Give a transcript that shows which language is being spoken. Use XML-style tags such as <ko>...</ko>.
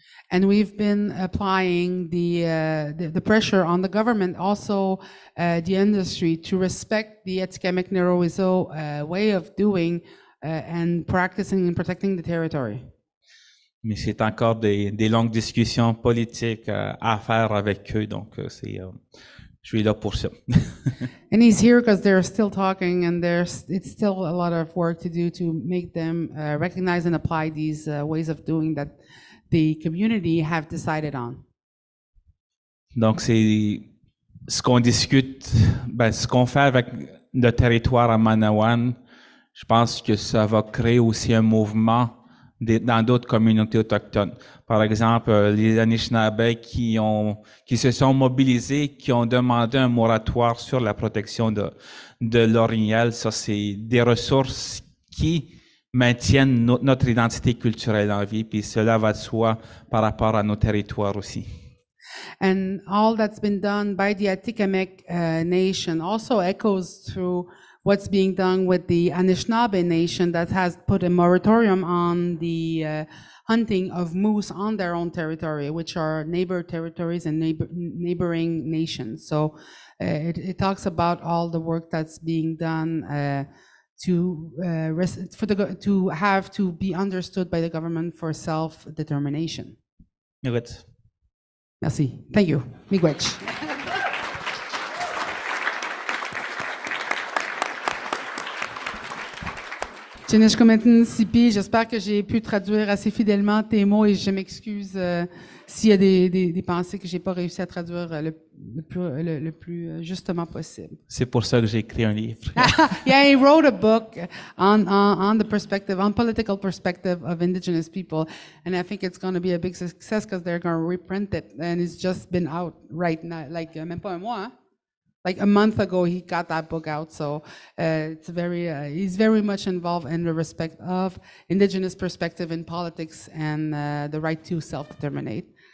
<en>And we've been applying the pressure on the government, also the industry, to respect the Atikamekw Nehirowisiw way of doing and practicing and protecting the territory.</en> <fr>Mais c'est encore des longues discussions politiques à faire avec eux, donc c'est je suis là pour ça.</fr> <en>And he's here because they're still talking, and it's still a lot of work to do to make them recognize and apply these ways of doing that the community have decided on.</en> <fr>Donc c'est ce qu'on discute, ben ce qu'on fait avec le territoire à Manawan. Je pense que ça va créer aussi un mouvement dans d'autres communautés autochtones. Par exemple, les Anishinaabeg qui se sont mobilisés, qui ont demandé un moratoire sur la protection de l'orignal. Ça, c'est des ressources qui maintiennent notre identité culturelle en vie. Puis cela va de soi par rapport à nos territoires aussi.</fr> <en>And all that's been done by the Atikamekw Nation also echoes through what's being done with the Anishinaabe nation that has put a moratorium on the hunting of moose on their own territory, which are neighbor territories and neighboring nations. So it talks about all the work that's being done to be understood by the government for self-determination.</en> <oj>Miigwech.</oj> <fr>Merci.</fr> <en>Thank you.</en> <oj>Miigwech.</oj> <fr>Sipi, j'espère que j'ai pu traduire assez fidèlement tes mots et je m'excuse s'il y a des pensées que j'ai pas réussi à traduire le plus justement possible. C'est pour ça que j'ai écrit un livre.</fr> <en>Yeah, he wrote a book on the perspective, on political perspective of indigenous people, and I think it's going to be a big success because they're going to reprint it, and it's just been out right now, like</en> <fr>même pas un mois.</fr> <en>Like a month ago, he got that book out. So it's very he's very much involved in the respect of indigenous perspective in politics and the right to self-determinate.</en>